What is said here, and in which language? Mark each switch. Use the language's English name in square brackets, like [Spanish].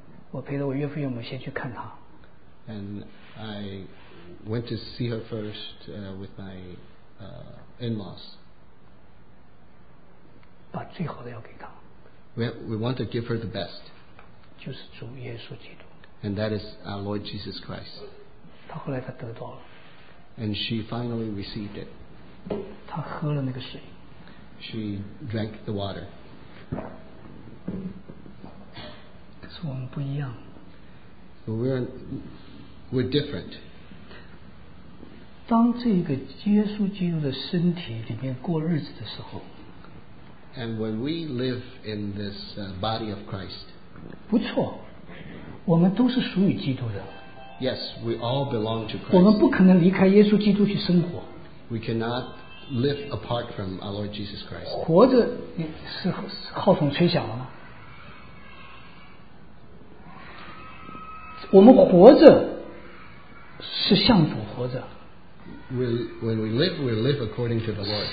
[Chinese] 我陪着我岳父岳母先去看她。 [English] And I went to see her first with my in-laws. [Chinese] 把最好的要给她。 [English] We want to give her the best. [Chinese] 就是主耶稣基督。 [English] And that is our Lord Jesus Christ. [Chinese] 她后来她得到了。 [English] And she finally received it. [Chinese] 她喝了那个水。 [English] She drank the water. [Chinese] 可是我们不一样。 [English] We're different. [Chinese] 当这个耶稣基督的身体里面过日子的时候， [English] And when we live in this body of Christ, [Chinese] 不错， 我们都是属于基督的。 [English] Yes, we all belong to Christ. [Chinese] 我们不可能离开耶稣基督去生活。 [English] We cannot live apart from our Lord Jesus Christ. [Chinese] 活着是号筒吹响了吗？我们活着是向主活着。 [English] When we live according to the Lord.